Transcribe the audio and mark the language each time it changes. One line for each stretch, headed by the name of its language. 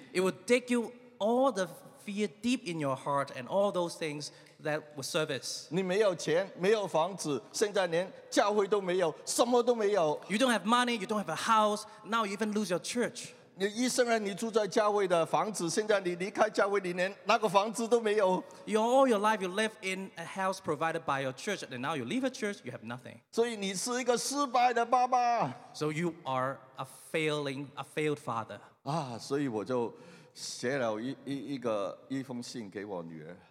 English: It will take you all the fear deep in your heart and all those things that will service.
Chinese: 你没有钱，没有房子，现在连教会都没有，什么都没有。
English: You don't have money, you don't have a house, now you even lose your church.
Chinese: 你一生人你住在教会的房子，现在你离开教会，你连那个房子都没有。
English: All your life you live in a house provided by your church, and now you leave a church, you have nothing.
Chinese: 所以你是一个失败的爸爸。
English: So you are a failed father.
Chinese: 所以我就写了一封信给我女儿。